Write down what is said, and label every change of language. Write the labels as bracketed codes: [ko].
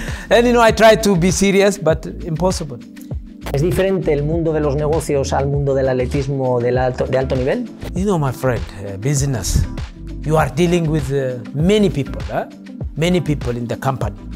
[en] And you know, I try to be serious, but impossible. [es] ¿Es diferente el mundo de los negocios al mundo del atletismo de alto nivel? [en] You know, my friend, business. You are dealing with many people, many people in the company.